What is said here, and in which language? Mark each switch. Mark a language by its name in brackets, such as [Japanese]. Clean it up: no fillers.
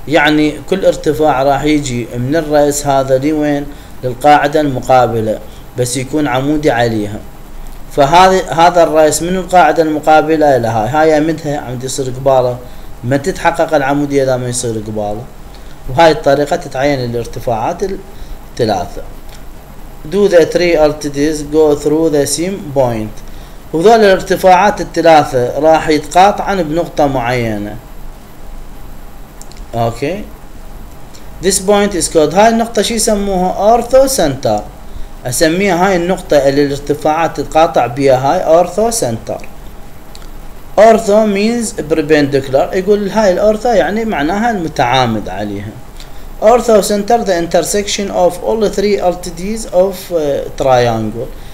[Arabic] يعني كل ارتفاع راح يجي من الرأس هذا لوين للقاعدة المقابلة بس يكون عمودي عليها. فهذا الرأس من القاعدة المقابلة لها هاي امدها عمد يصير قبالة ما تتحقق العمودية اذا ما يصير قبالة. وهاي الطريقة تتعين الارتفاعات الثلاثة. [English] Do the three altitudes go through the same point. [Arabic] وذول الارتفاعات الثلاثة راح يتقاطعن بنقطة معينة. [English] Okay. This point is called [Arabic] هاي النقطة شي يسموها [English] ortho center. [Arabic] اسميها هاي النقطة اللي الارتفاعات تتقاطع بيها هاي ortho center. [English] Ortho means perpendicular [Arabic] يقول هاي الortho يعني معناها المتعامد عليها. [English] Ortho center the intersection of all three altitudes of triangle.